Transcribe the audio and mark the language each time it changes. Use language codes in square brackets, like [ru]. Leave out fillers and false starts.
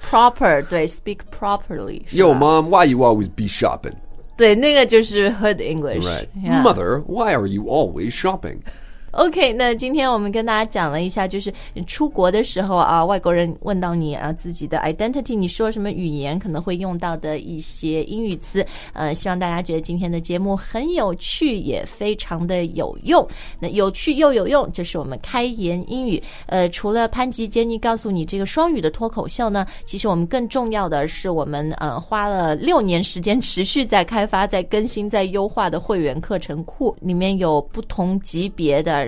[en] Proper， 对 ，speak properly。 Yo, mom, why you always be shopping? [zh] 对，那个就是 Hood English. [en] Right.、 Yeah. Mother, why are you always shopping? [zh] OK, 那今天我们跟大家讲了一下，就是出国的时候啊，外国人问到你啊自己的 identity, 你说什么语言可能会用到的一些英语词。希望大家觉得今天的节目很有趣，也非常的有用。那有趣又有用，就是我们开言英语。除了潘吉杰尼告诉你这个双语的脱口秀呢，其实我们更重要的是我们花了六年时间持续在开发、在更新、在优化的会员课程库，里面有不同级别的。